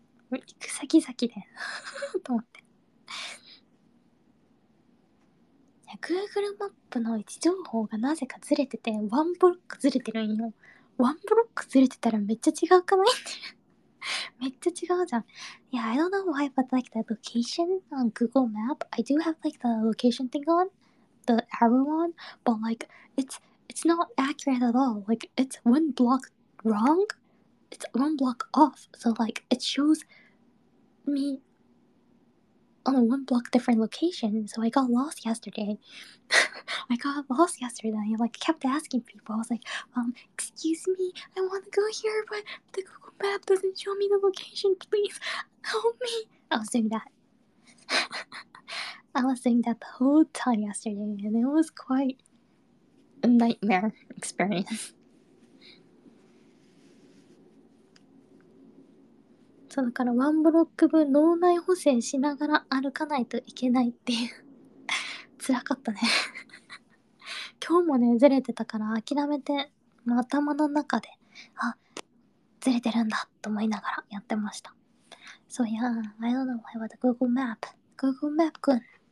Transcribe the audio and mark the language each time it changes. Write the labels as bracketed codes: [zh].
[ja] 行く先々でと思って、いや、 Google マップの位置情報がなぜかずれてて、ワンブロックずれてるんよ。ワンブロックずれてたらめっちゃ違うくない？めっちゃ違うじゃん。 [en] いや、 I don't know why but like the location on Google map, I do have like the location thing on the arrow one, but like it's not accurate at all. Like it's one block wrong, it's one block off. So like it shows me on a one block different location. So I got lost yesterday. I got lost yesterday. I like kept asking people. I was like, excuse me, I want to go here, but the Google map doesn't show me the location. Please help me. I was doing that. I was doing that the whole time yesterday, and it was quite a nightmare experience. [ja] そう、だからワンブロック分脳内補正しながら歩かないといけないっていう。つらかったね。今日もね、ずれてたから諦めて、もう頭の中で、あ、ずれてるんだと思いながらやってました。 [en] So yeah, I don't know why the Google map. Google map くん。